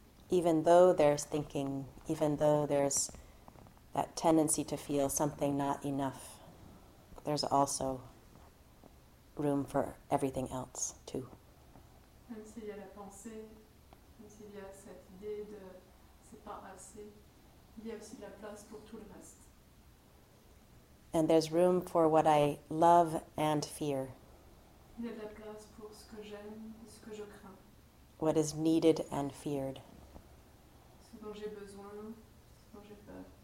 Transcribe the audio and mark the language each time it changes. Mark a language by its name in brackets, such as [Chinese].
[English] Even though there's thinking, even though there's that tendency to feel something not enough, there's also room for everything else too. [French] Même s'il y a la pensée, même s'il y a cette idée de c'est pas assez, il y a aussi de la place pour tout le reste. [English] And there's room for what I love and fear. [French] Il y a de la place pour ce que j'aime et ce que je crains. [English] What is needed and feared. [French] Ce dont j'ai besoin, ce dont j'ai peur.